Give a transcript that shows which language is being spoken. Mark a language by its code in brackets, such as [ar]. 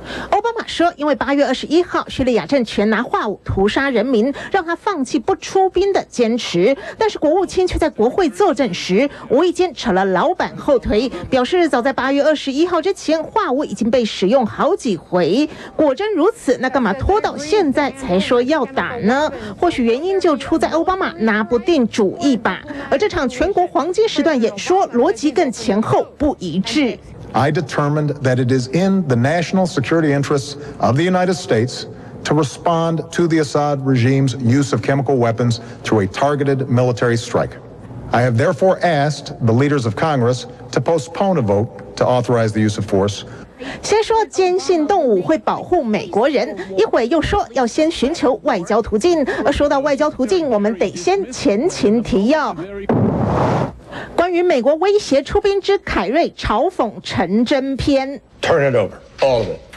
[zh] 奥巴马说，因为8月21号叙利亚政权拿化武屠杀人民，让他放弃不出兵的坚持，但是国务卿却在国会作证时无意间扯了老板后腿，表示早在8月21号之前化武已经被使用好几回。果真如此，那干嘛拖到现在才说要打呢？或许原因就出在奥巴马拿不定主意吧。而这场全国黄金时段演说逻辑更前后不一致。 [en] I determined that it is in the national security interests of the United States to respond to the Assad regime's use of chemical weapons through a targeted military strike. I have therefore asked the leaders of Congress to postpone a vote to authorize the use of force. [zh] 先说坚信动武会保护美国人，一会又说要先寻求外交途径。而说到外交途径，我们得先前情提要。关于美国威胁出兵之凯瑞嘲讽陈真篇。 [en] Turn it over, all of it.